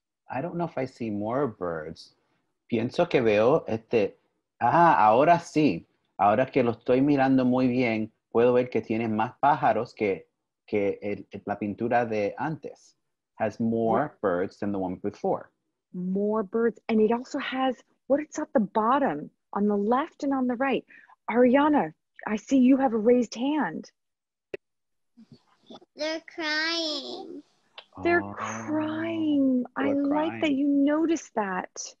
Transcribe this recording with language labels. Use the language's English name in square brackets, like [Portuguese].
[English] I don't know if I see more birds. [Spanish] Pienso que veo ahora sí. Ahora que lo estoy mirando muy bien, puedo ver que tiene más pájaros que la pintura de antes. [English] Has more birds than the one before. More birds. And it also has, what it's at the bottom, on the left and on the right. Ariana, I see you have a raised hand. They're crying. They're crying. I like that you noticed that.